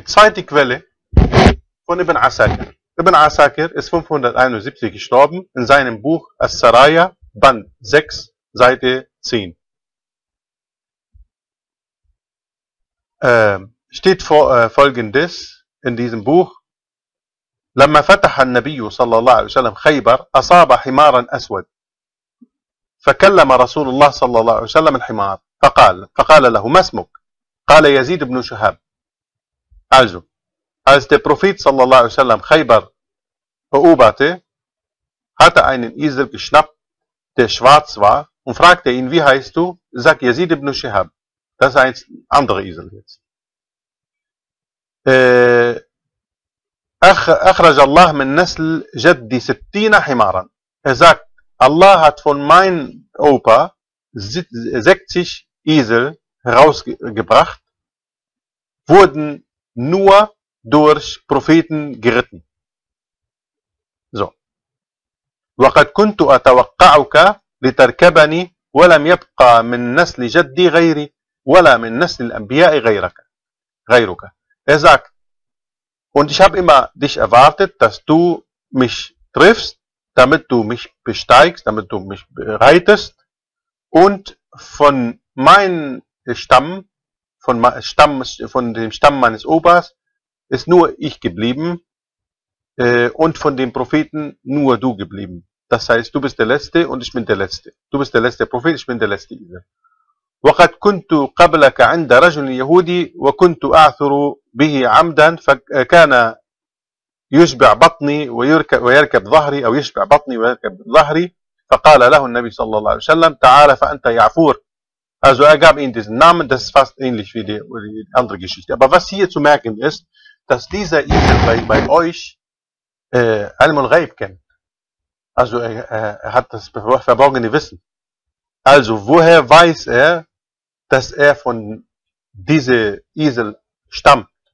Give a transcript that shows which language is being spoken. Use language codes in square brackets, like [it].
[de] Die zweite Quelle von Ibn Asakir. Ibn Asakir ist 571 gestorben in seinem Buch As-Saraya, Band 6, Seite 10. Steht vor, folgendes in diesem Buch. [ar] لما فتح النبي صلى الله عليه وسلم خيبر أصاب حمارا أسود فكلم رسول الله صلى الله عليه وسلم الحمار فقال له ما اسمك؟ قال يزيد بن شهاب [de] Also, als der Prophet sallallahu alaihi wasallam Khaybar eroberte, hatte einen Esel geschnappt, der schwarz war, und fragte ihn, wie heißt du? Sag Yazid ibn Shihab. Das ist ein anderer Esel jetzt. [ar] أخرج الله من نسل جدي 60 حمارا. [de] Er sagt, Allah hat von meinem Opa 60 Esel herausgebracht, wurden nur durch Propheten geritten. So. [ar] وقد كنت أتوقعك لتركبني ولم يبقى من نسل جدي غيري ولا من نسل الأنبياء غيرك. [de] Er sagt, und ich habe immer dich erwartet, dass du mich triffst, damit du mich besteigst, damit du mich bereitest. Und von meinem Stamm, von dem Stamm meines Opas, ist nur ich geblieben und von den Propheten nur du geblieben. Das heißt, du bist der Letzte und ich bin der Letzte. Du bist der letzte Prophet, ich bin der letzte Esel. [ar] وقد كنت قبلك عند رجل يهودي وكنت أعثر به عمدا فكان يشبع بطني ويركب ظهري أو يشبع بطني ويركب ظهري فقال له النبي صلى الله عليه وسلم تعال فأنت يعفور. [de] Also er gab ihm diesen Namen, das ist fast ähnlich wie die andere Geschichte. Aber was hier zu merken ist, dass dieser Esel bei euch Alm al-Ghaib kennt. Also er hat das verborgene Wissen. Also, woher weiß er, dass er von diesem Esel stammt?